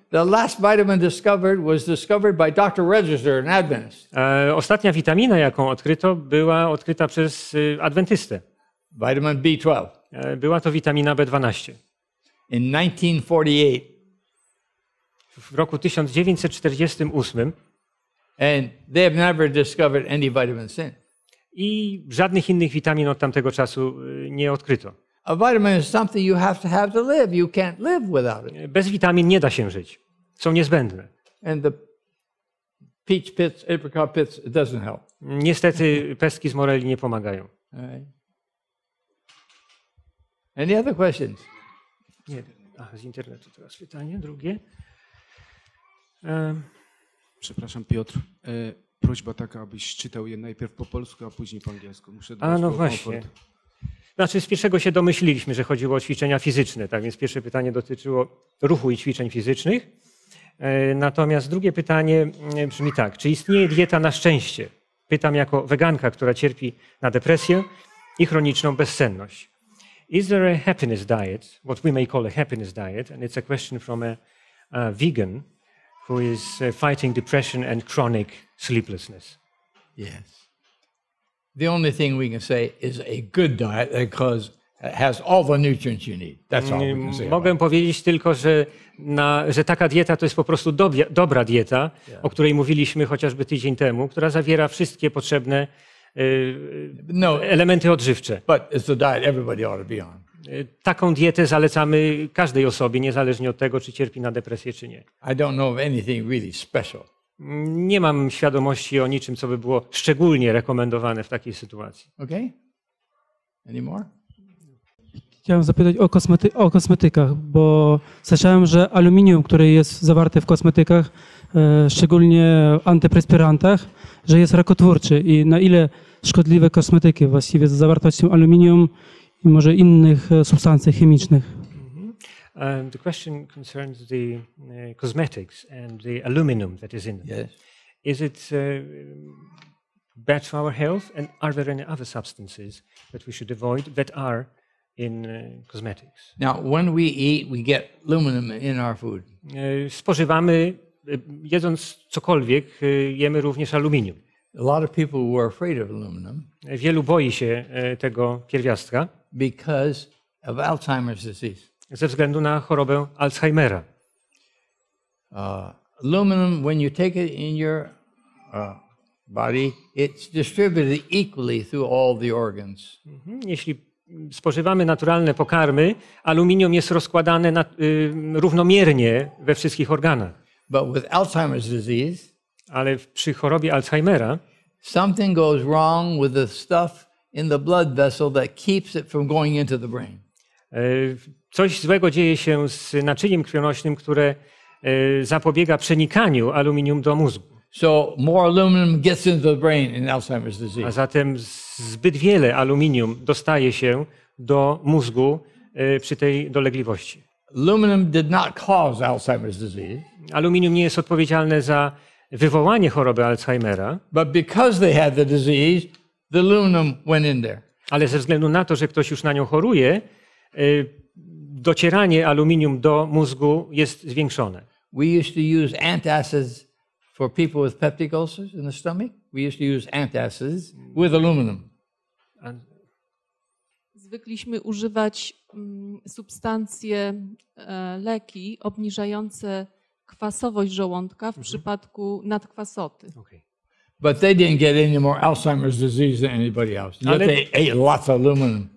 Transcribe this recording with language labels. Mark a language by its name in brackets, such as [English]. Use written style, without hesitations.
[English] The last vitamin discovered was discovered by Dr. Register, an Adventist. [Polish] Ostatnia witamina, jaką odkryto, była odkryta przez adwentystę. [English] Vitamin B12. [Polish] Była to witamina B12. [English] In 1948. [Polish] W roku 1948. [English] And they have never discovered any vitamin since. [Polish] I żadnych innych witamin od tamtego czasu nie odkryto. [English] A vitamin is something you have to have to live. You can't live without it. [Polish] Bez witamin nie da się żyć. Są niezbędne. [English] And the peach pits, apricot pits, it doesn't help. [Polish] Niestety pestki z moreli nie pomagają. [English] Right. Any other questions? [Polish] Nie. A, z internetu teraz pytanie drugie. Przepraszam, Piotr. Prośba taka, abyś czytał je najpierw po polsku, a później po angielsku. Muszę dbać. A no właśnie. Komfort. Znaczy, z pierwszego się domyśliliśmy, że chodziło o ćwiczenia fizyczne. Tak więc pierwsze pytanie dotyczyło ruchu i ćwiczeń fizycznych. Natomiast drugie pytanie brzmi tak. Czy istnieje dieta na szczęście? Pytam jako weganka, która cierpi na depresję i chroniczną bezsenność. [English] Is there a happiness diet, what we may call a happiness diet? And it's a question from a vegan who is fighting depression and chronic sleeplessness. Yes. The only thing we can say is a good diet because it has all the nutrients you need. That's all we can say. [Polish] Mogę powiedzieć tylko, że taka dieta to jest po prostu dobra dieta, yeah, o której mówiliśmy chociażby tydzień temu, która zawiera wszystkie potrzebne elementy odżywcze. [English] But it's the diet everybody ought to be on. [Polish] Taką dietę zalecamy każdej osobie, niezależnie od tego, czy cierpi na depresję, czy nie. [English] I don't know of anything really special. [Polish] Nie mam świadomości o niczym, co by było szczególnie rekomendowane w takiej sytuacji. [English] Okay. Any more? [Polish] Chciałem zapytać o kosmetykach, bo słyszałem, że aluminium, które jest zawarte w kosmetykach, szczególnie w antyperspirantach, że jest rakotwórczy. I na ile szkodliwe kosmetyki właściwie z zawartością aluminium i może innych substancji chemicznych. Mm-hmm. [English] The question concerns the cosmetics and the aluminum that is in them. Yes. Is it bad for our health? And are there any other substances that we should avoid that are in cosmetics? Now, when we eat, we get aluminum in our food. [Polish] Spożywamy, jedząc cokolwiek, jemy również aluminium. [English] A lot of people were afraid of aluminum. [Polish] Wielu boi się tego pierwiastka. [English] Because of Alzheimer's disease. [Polish] Ze względu na chorobę Alzheimera. [English] Aluminum, when you take it in your body, it's distributed equally through all the organs. [Polish] Jeśli spożywamy naturalne pokarmy, aluminium jest rozkładane równomiernie we wszystkich organach. [English] But with Alzheimer's disease, [Polish] ale przy chorobie Alzheimera, [English] something goes wrong with the stuff in the blood vessel that keeps it from going into the brain. [Polish] Coś złego dzieje się z naczyniem krwionośnym, które zapobiega przenikaniu aluminium do mózgu. [English] So more aluminum gets into the brain in Alzheimer's disease. [Polish] A zatem zbyt wiele aluminium dostaje się do mózgu przy tej dolegliwości. [English] Aluminum did not cause Alzheimer's disease. [Polish] Aluminium nie jest odpowiedzialne za wywołanie choroby Alzheimera. [English] But because they had the disease, the aluminum went in there. [Polish] Ale ze względu na to, że ktoś już na nią choruje, docieranie aluminium do mózgu jest zwiększone. [English] We used to use antacids for people with peptic ulcers in the stomach. We used to use antacids with aluminum. [Polish] Zwykliśmy używać substancje, leki obniżające kwasowość żołądka w przypadku nadkwasoty. [English] Okay. But they didn't get any more Alzheimer's disease than anybody else. Yet they ate lots of aluminum.